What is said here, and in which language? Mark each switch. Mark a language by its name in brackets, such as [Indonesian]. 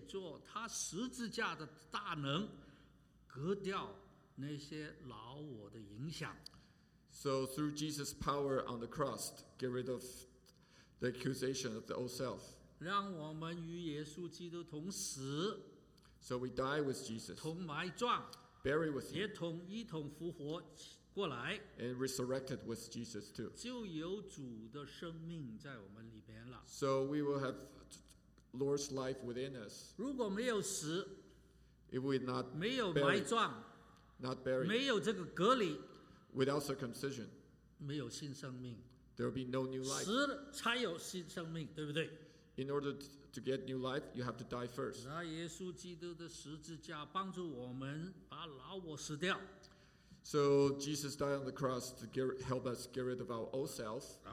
[Chinese] 主耶稣也借着他十字架的大能, 隔掉那些老我的影响。 [English] So through Jesus' power on the cross, get rid of the accusation of the old self. [Chinese] 让我们与耶稣基督同死, [English] so we die with Jesus, [Chinese] 同埋葬, [English] bury with him, [Chinese] 也同一同复活过来, [English] and resurrected with Jesus too. [Chinese] 就有主的生命在我们里边了。 [English] So we will have Lord's life within us. [Chinese] 如果没有死, [English] if we not [Chinese] 没有埋葬, [English] buried, not buried, [Chinese] 没有这个隔离, [English] without circumcision, [Chinese] 没有新生命, [English] there will be no new life. [Chinese] 死了才有新生命, 对不对? [English] In order to get new life, you have to die first. [Chinese] 那耶稣基督的十字架帮助我们把老我死掉。 [English] So Jesus died on the cross to help us get rid of our old self.